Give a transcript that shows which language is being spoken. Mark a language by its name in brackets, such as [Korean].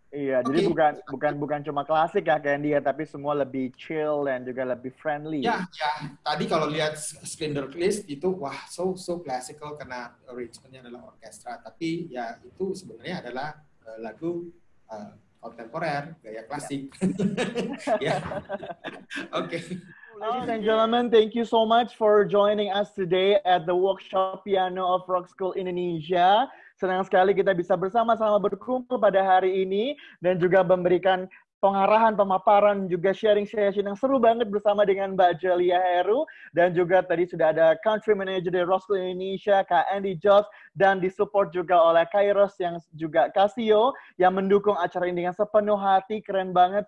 [Indonesian] Iya, okay. Jadi bukan cuma klasik ya kayak dia, tapi semua lebih chill dan juga lebih friendly. Ya, ya. Tadi kalau lihat screen release itu wah, [English] so classical [Indonesian] karena arrangement-nya adalah orkestra, tapi ya itu sebenarnya adalah lagu kontemporer, gaya klasik. Ya. Oke. [English] Ladies and gentlemen, thank you so much for joining us today at the workshop piano of Rock School Indonesia. [Indonesian] Senang sekali kita bisa bersama-sama berkumpul pada hari ini dan juga memberikan pengarahan, pemaparan, juga sharing session yang seru banget bersama dengan Mbak Jelia Heru. Dan juga tadi sudah ada Country Manager dari Rock School Indonesia, Kak Andy Jobs, dan disupport juga oleh Kairos yang juga Casio yang mendukung acara ini dengan sepenuh hati. Keren banget.